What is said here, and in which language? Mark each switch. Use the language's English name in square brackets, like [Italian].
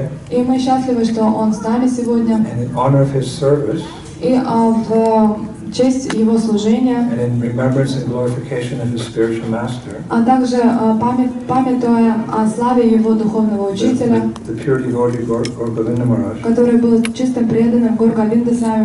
[Russian] И мы счастливы, что он с нами сегодня. [English] And in honor of his service, [Russian] и в честь его служения. [English] And in remembrance and glorification of his spiritual master, [Russian] а также памятуя о славе его духовного учителя, который был чисто преданным Говардхан Свами